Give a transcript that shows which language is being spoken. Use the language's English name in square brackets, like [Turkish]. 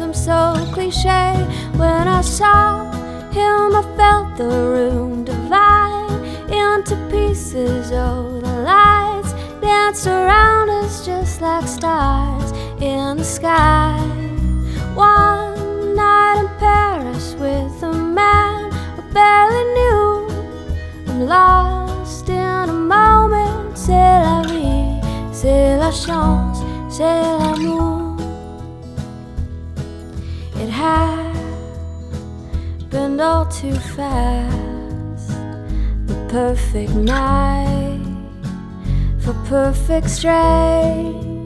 [English] I'm so cliche. When I saw him, I felt the room divide into pieces. Oh, the lights danced around us just like stars in the sky. One night in Paris with a man I barely knew. I'm lost in a moment. [French] C'est la vie, c'est la chance, c'est l'amour. [English] It happened all too fast. The perfect night for perfect strangers.